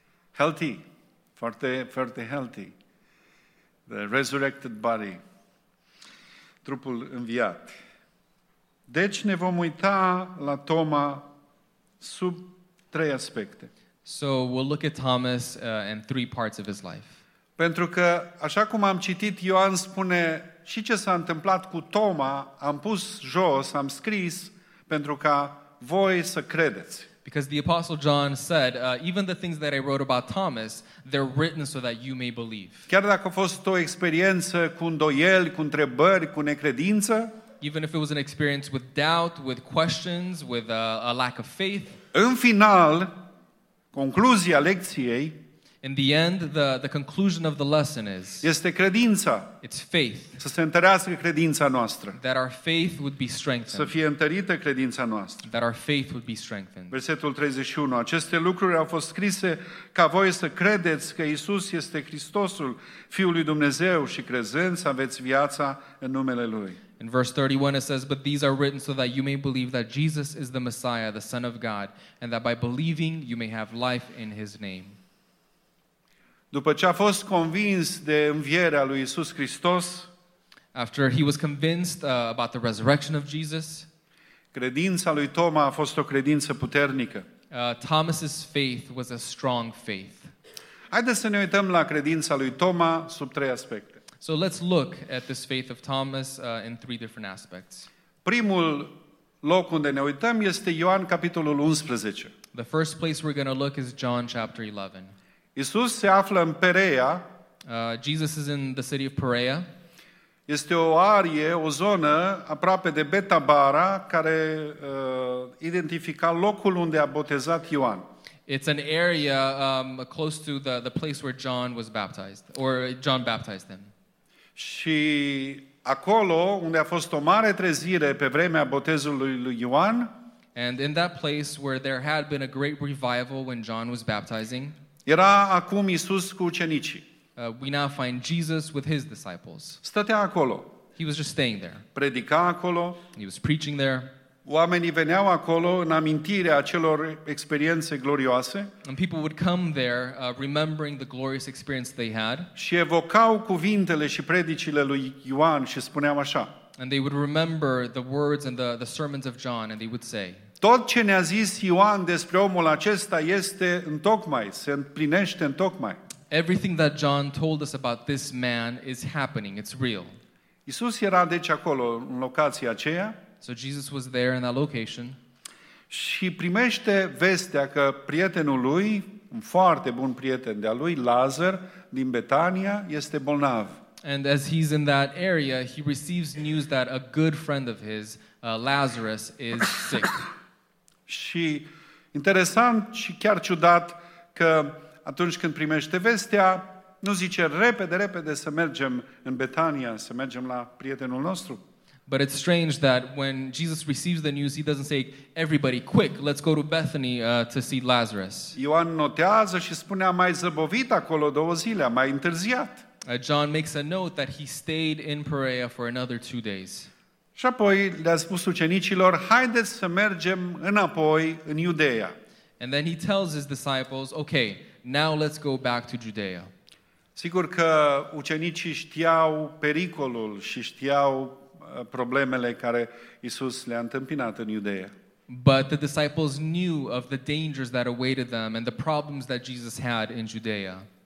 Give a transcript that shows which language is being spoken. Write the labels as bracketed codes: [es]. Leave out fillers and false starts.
[en] Healthy, [ro] foarte, foarte [en] healthy. The resurrected body. [ro] Trupul înviat. Deci ne vom uita la Toma sub trei aspecte. [en] So we'll look at Thomas and three parts of his life. [ro] Pentru că așa cum am citit, Ioan spune și ce s-a întâmplat cu Toma, am pus jos, am scris pentru ca voi să credeți. [en] Because the Apostle John said, even the things that I wrote about Thomas, they're written so that you may believe. [ro] Chiar dacă a fost o experiență cu îndoieli, cu întrebări, cu necredință, [en] even if it was an experience with doubt, with questions, with a lack of faith, [ro] în final, concluzia lecției, [en] in the end, the conclusion of the lesson is, [ro] este credința, [en] it's faith, [ro] să se întărească credința noastră, [en] that our faith would be strengthened, [ro] să fie întărită credința noastră, [en] that our faith would be strengthened. [ro] Versetul 31, aceste lucruri au fost scrise ca voi să credeți că Iisus este Hristosul, Fiul lui Dumnezeu, și crezând să aveți viața în numele Lui. [en] In verse 31 it says, but these are written so that you may believe that Jesus is the Messiah, the Son of God, and that by believing you may have life in His name. [ro] După ce a fost convins de învierea lui Iisus Hristos, [en] after he was convinced about the resurrection of Jesus, [ro] credința lui Toma a fost o credință puternică. [en] Thomas's faith was a strong faith. [ro] Haideți să ne uităm la credința lui Toma sub trei aspecte. [en] So let's look at this faith of Thomas in three different aspects. [ro] Primul loc unde ne uităm este Ioan capitolul 11. [en] The first place we're going to look is John chapter 11. [ro] Iisus se află în Perea. [en] Jesus is in the city of Perea. [ro] Este o arie, o zonă aproape de Betabara, care identifica locul unde a botezat Ioan. [en] It's an area close to the place where John was baptized, or John baptized him. [ro] Și acolo unde a fost o mare trezire pe vremea botezului lui Ioan, [en] and in that place where there had been a great revival when John was baptizing, [ro] era acum Iisus cu ucenicii. [en] We now find Jesus with his disciples. [ro] Stătea acolo. [en] He was just staying there. [ro] Predica acolo. [en] He was preaching there. [ro] Oamenii veneau acolo în amintire a celor experiențe glorioase. [en] And people would come there remembering the glorious experience they had. [ro] Și evocau cuvintele și predicile lui Ioan și spuneau așa. [en] And they would remember the words and the sermons of John, and they would say, [ro] tot ce ne-a zis Ioan despre omul acesta este întocmai, se împlinește întocmai. [en] Everything that John told us about this man is happening, it's real. [ro] Iisus era deci acolo în locația aceea. [en] So Jesus was there in that location. [ro] Și primește vestea că prietenul lui, un foarte bun prieten de-a lui, Lazar, din Betania, este bolnav. [en] And as he's in that area, he receives news that a good friend of his, Lazarus, is sick. [ro] Și interesant și chiar ciudat că atunci când primește vestea, nu zice repede să mergem în Betania, să mergem la prietenul nostru. [en] But it's strange that when Jesus receives the news, he doesn't say, everybody, quick, let's go to Bethany to see Lazarus. [ro] Ioan notează și spune, a mai zăbovit acolo două zile, a mai întârziat. [en] John makes a note that he stayed in Perea for another 2 days. [ro] Și apoi le-a spus ucenicilor, haideți să mergem înapoi în Iudeea. [en] And then he tells his disciples, okay, now let's go back to Judea. [ro] Sigur că ucenicii știau pericolul și știau problemele care Iisus le-a întâmpinat în Iudeea. [en] But the disciples knew of the dangers that awaited them and the problems that Jesus had in Judea.